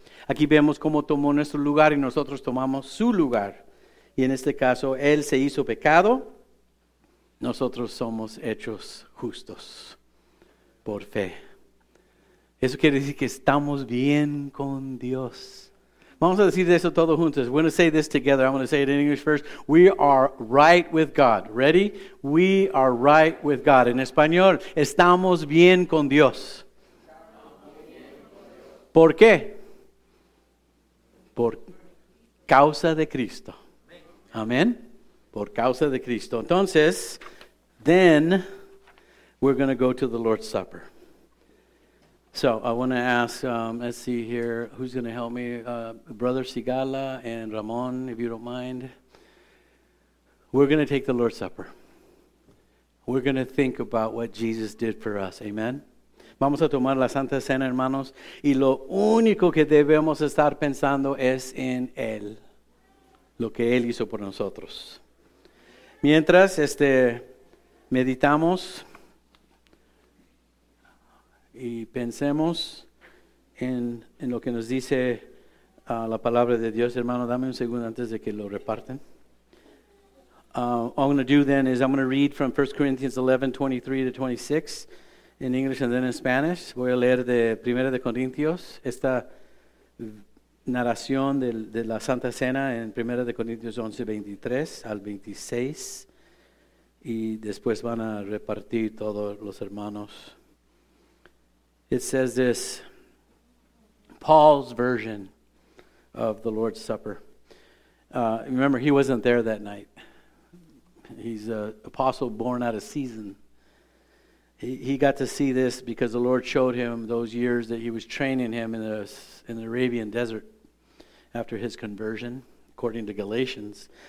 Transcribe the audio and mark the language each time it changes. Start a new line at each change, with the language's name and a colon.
Spanish: Aquí vemos cómo tomó nuestro lugar y nosotros tomamos su lugar. Y en este caso, Él se hizo pecado. Nosotros somos hechos justos por fe. Eso quiere decir que estamos bien con Dios. Vamos a decir eso todos juntos.
English: We're going to say this together. I'm going to say it in English first. We are right with God. Ready? We are right with God.
Spanish: En español, estamos bien con Dios. ¿Por qué? Por causa de Cristo. Amén. Por causa de Cristo. Entonces,
English: then we're going to go to the Lord's Supper. So I want to ask, let's see here, who's going to help me? Brother Sigala and Ramon, if you don't mind. We're going to take the Lord's Supper. We're going to think about what Jesus did for us. Amen.
Spanish: Vamos a tomar la Santa Cena, hermanos. Y lo único que debemos estar pensando es en Él. Lo que Él hizo por nosotros. Mientras meditamos y pensemos en lo que nos dice la palabra de Dios. Hermano, dame un segundo antes de que lo reparten.
English: All I'm going to do then is I'm going to read from 1 Corinthians 11, 23 to 26 in English and then in Spanish.
Spanish: Voy a leer de 1 Corintios esta narración de la Santa Cena en 1 Corintios 11, 23 al 26. Y después van a repartir todos los hermanos.
English: It says this, Paul's version of the Lord's Supper. Remember, he wasn't there that night. He's an apostle born out of season. He got to see this because the Lord showed him those years that he was training him in the Arabian desert after his conversion, according to Galatians.